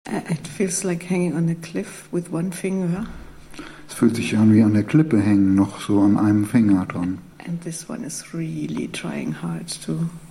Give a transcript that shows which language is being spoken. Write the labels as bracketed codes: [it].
[en] It feels like hanging on a cliff with one finger. [de] Es fühlt sich an wie an der Klippe hängen, noch so an einem Finger dran. [en] And this one is really trying hard to.